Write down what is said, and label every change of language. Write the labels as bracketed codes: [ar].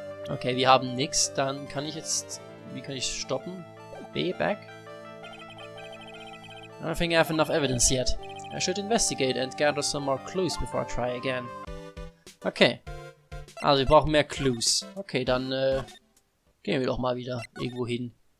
[de] Okay, wir haben nix, dann kann ich jetzt... Wie kann ich stoppen? B, back. [en] I don't think I have enough evidence yet. I should investigate and gather some more clues before I try again. [de] Okay. Also, wir brauchen mehr Clues. Okay, dann gehen wir doch mal wieder irgendwo hin.